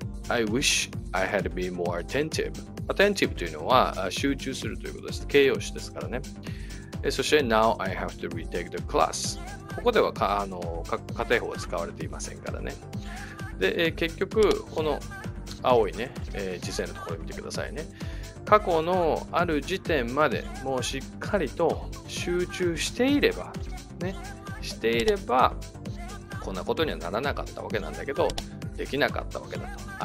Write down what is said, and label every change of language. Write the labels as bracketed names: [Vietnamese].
[English] I wish I had been more attentive. [Japanese] Attentive というのは集中するということです。形容詞ですからね。そして [English] Now I have to retake the class. [Japanese] ここでは仮定法は使われていませんからね。で、結局この青いね、時制のところを見てくださいね。過去のある時点までもうしっかりと集中していればね、していればこんなことにはならなかったわけなんだけど、できなかったわけだと。